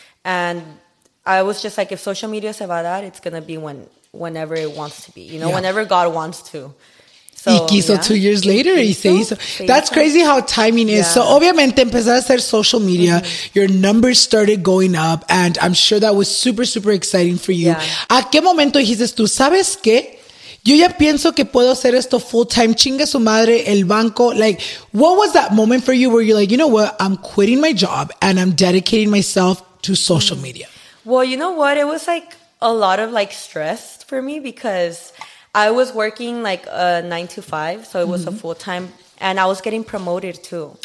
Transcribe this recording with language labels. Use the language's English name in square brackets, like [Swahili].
[English] And I was just like, if social media se va a dar, it's going to be whenever it wants to be, you know, whenever God wants to. So 2 years later, he says, that's crazy how timing is. Yeah. So obviamente empezaste a hacer social media, your numbers started going up, and I'm sure that was super, super exciting for you. Yeah. [Spanish] ¿A qué momento dices tú, sabes qué? Yo ya pienso que puedo hacer esto full time, chinga su madre, el banco. [English] Like, what was that moment for you where you're like, you know what, I'm quitting my job and I'm dedicating myself to social media? Well, you know what? It was like a lot of like stress for me because I was working like a 9-to-5. So it was a full time and I was getting promoted too.